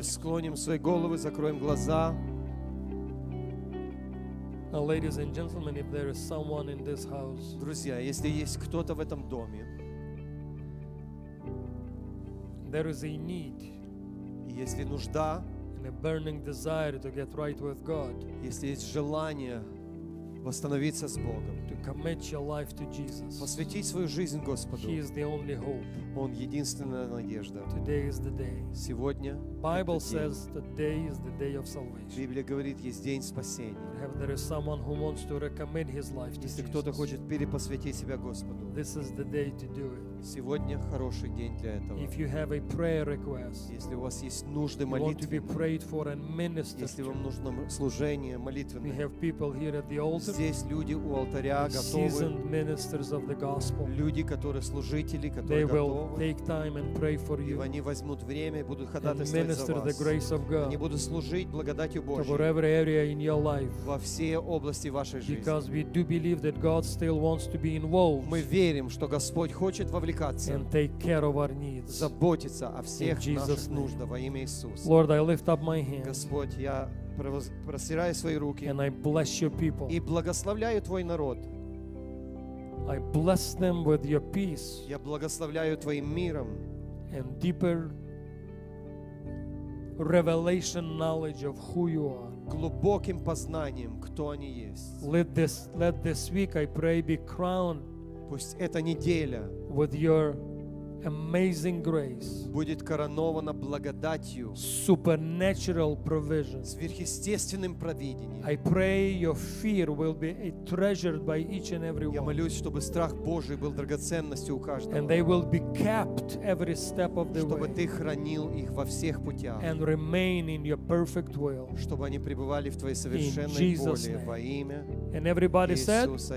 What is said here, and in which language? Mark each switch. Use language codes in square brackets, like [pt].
[ru] Давайте склоним свои головы, закроем глаза. [en] Now, ladies and gentlemen, if there is someone in this house, [ru] друзья, если есть кто-то в этом доме, [en] there is a need, [ru] если нужда, [en] and a burning desire to get right with God, [ru] если есть желание восстановиться с Богом, [en] commit your life to Jesus. [ru] Посвятить свою жизнь Господу. [en] He is the only hope. [ru] Он единственная надежда. [en] Today is the day. [ru] Сегодня. [en] Bible says today is the day of salvation. [ru] Библия говорит, есть день спасения. [en] If there is someone who wants to recommit his life to Jesus. [ru] Если кто-то хочет перепосвятить себя Господу. [en] This is the day to do it. [ru] Сегодня хороший день для этого. [en] If you have a prayer request. [ru] Если у вас есть нужды молитвенные. [en] You want to be prayed for and ministered to. [ru] Если вам нужно служение молитвенное. [en] We have people here at the altar. [ru] Здесь люди у алтаря. [en] Seasoned ministers of the gospel. [ru] Люди, которые служители, которые [en] they will [ru] готовы, [en] take time and pray for you. [ru] И они возьмут время, и будут ходатайствовать [en] and minister [ru] за вас. [en] The grace of God. [ru] Они будут служить благодатью Божьей. [en] To whatever area in your life. [ru] Во все области вашей жизни. [en] Because we do believe that God still wants to be involved. [ru] Мы верим, что Господь хочет вовлекаться. [en] And take care of our needs. [ru] Заботиться о всех наших нуждах во имя Иисуса. [en] Lord, I lift up my hands. [ru] Господь, я простираю свои руки. [en] And I bless your people. [ru] И благословляю твой народ. [en] I bless them with your peace. [ru] Я благословляю твоим миром. [en] And deeper revelation knowledge of who you are. [ru] Глубоким познанием, кто они есть. [en] Let this week, I pray, be crowned [ru] пусть эта неделя [en] with your amazing grace. [ru] Будет коронована благодатью. [en] Supernatural provision. [ru] Сверхъестественным провидением. [en] I pray your fear will be treasured by each and every one. [ru] Я молюсь, чтобы страх Божий был драгоценностью у каждого. [en] And they will be kept every step of the way. [ru] Чтобы ты хранил их во всех путях. [en] And remain in your perfect will. [ru] Чтобы они пребывали в твоей совершенной воле во имя Иисуса.